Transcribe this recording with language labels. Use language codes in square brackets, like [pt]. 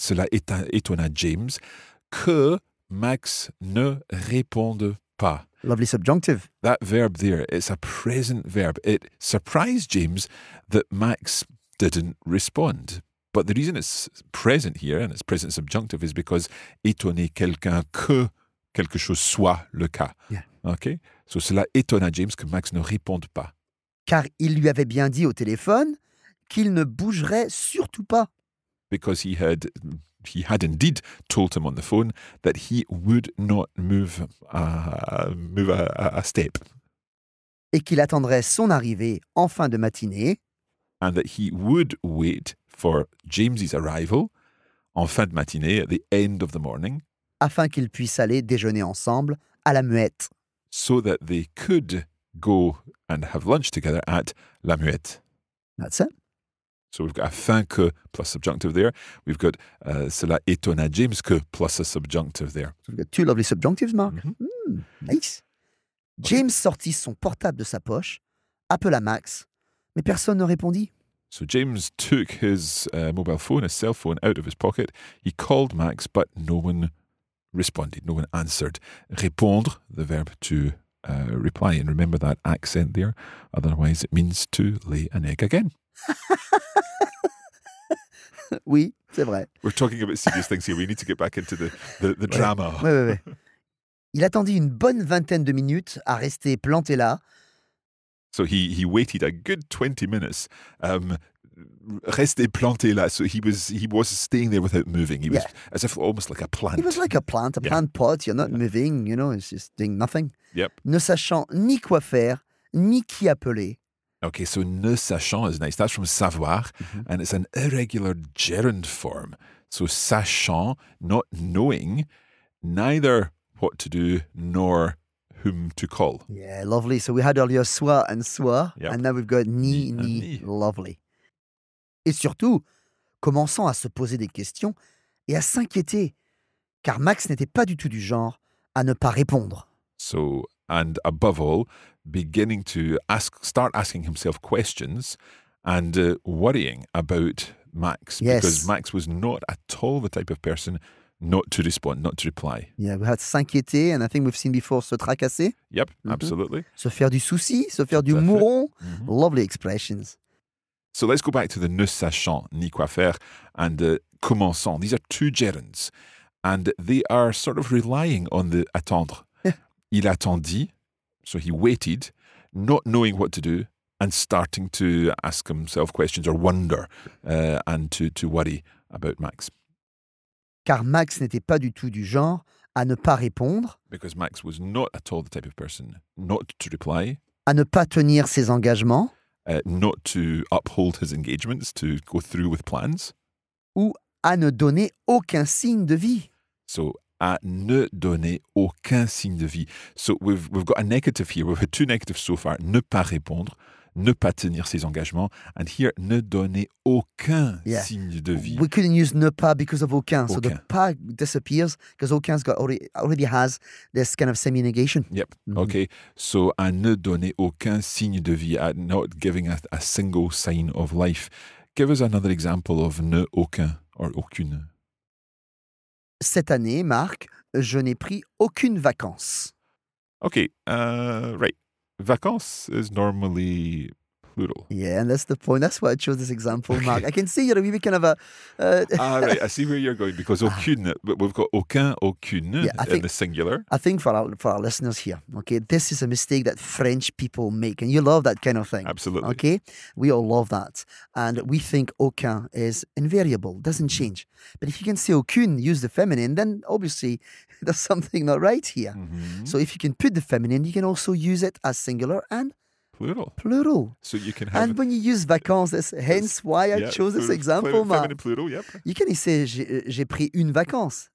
[fr] Cela étonna James que Max ne réponde pas. [en] Lovely subjunctive. That verb there, it's a present verb. It surprised James that Max didn't respond. But the reason it's present here and it's present subjunctive is because [fr] étonner quelqu'un que quelque chose soit le cas. [en] Yeah. Okay? So [fr] cela étonna James que Max ne réponde pas. Car il lui avait bien dit au téléphone qu'il ne bougerait surtout pas. [en] Because he had indeed told him on the phone that he would not move a step. [fr] Et qu'il attendrait son arrivée en fin de matinée. [en] And that he would wait for James's arrival [fr] en fin de matinée, [en] at the end of the morning. [fr] Afin qu'ils puissent aller déjeuner ensemble à la muette. [en] so that they could go and have lunch together at La Muette. That's it. So we've got afin que plus subjunctive there. We've got [fr] cela étonna James que [en] plus a subjunctive there. So we've got two lovely subjunctives, Mark. [fr] Mm-hmm. [en] Nice. Okay. [fr] James sortit son portable de sa poche, appela Max, mais personne ne répondit. [en] So James took his mobile phone, his cell phone, out of his pocket. He called Max, but no one responded. No one answered. Répondre, the verb to reply. And remember that accent there. Otherwise, it means to lay an egg again. [fr] Oui, c'est vrai. [en] We're talking about serious things here. We need to get back into the drama. [fr] Oui, oui, oui. Il attendit une bonne vingtaine de minutes à rester planté là. [en] So he waited a good 20 minutes. [fr] Resté planté là. [en] So he was staying there without moving. He was as if almost like a plant. He was like a plant, a plant pot. You're not moving, you know, it's just doing nothing. Yep. [fr] Ne sachant ni quoi faire, ni qui appeler. [en] Okay, so ne sachant is nice. That's from savoir, mm-hmm. and it's an irregular gerund form. So sachant, not knowing, neither what to do nor whom to call. Yeah, lovely. So we had earlier soit and soit, yep. and now we've got ni. Lovely. [fr] Et surtout, commençant à se poser des questions et à s'inquiéter, car Max n'était pas du tout du genre à ne pas répondre. [en] So, and above all, beginning to start asking himself questions and worrying about Max. Yes. Because Max was not at all the type of person not to respond, not to reply. Yeah, we had s'inquiéter, and I think we've seen before, se tracasser. Yep, mm-hmm. absolutely. [fr] Se faire du souci, se faire du mouron. [en] Mm-hmm. Lovely expressions. So let's go back to the [fr] ne sachant ni quoi faire [en] and commençant. These are two gerunds, and they are sort of relying on the attendre. Yeah. [fr] Il attendit, [en] so he waited, not knowing what to do, and starting to ask himself questions or wonder and to worry about Max. [fr] Car Max n'était pas du tout du genre à ne pas répondre. [en] Because Max was not at all the type of person not to reply. [fr] À ne pas tenir ses engagements. [en] Not to uphold his engagements, to go through with plans. [fr] Ou à ne donner aucun signe de vie. So, à ne donner aucun signe de vie. [en] So, we've got a negative here. We've had two negatives so far. [fr] Ne pas répondre, ne pas tenir ses engagements. [en] And here, [fr] ne donner aucun signe de vie. [en] We couldn't use ne pas because of aucun. So, the pas disappears because aucun already has this kind of semi-negation. Yep. Mm-hmm. Okay. So, [fr] à ne donner aucun signe de vie, [en] at not giving a single sign of life. Give us another example of ne aucun or aucune. [fr] Cette année, Marc, je n'ai pris aucune vacance. [en] Okay, right. Vacances is normally plural. Yeah, and that's the point. That's why I chose this example, Marc. I can see you're maybe kind of a... right, I see where you're going, because aucune, we've got aucun, aucune in the singular. I think for our listeners here, okay, this is a mistake that French people make, and you love that kind of thing. Absolutely. Okay, we all love that. And we think aucun is invariable, doesn't change. But if you can say aucune, use the feminine, then obviously there's something not right here. Mm-hmm. So if you can put the feminine, you can also use it as singular and plural. So you can have. And when you use vacances, that's hence why I chose this example, Mark. Feminine plural, yep. You can say, [fr] j'ai pris une vacance.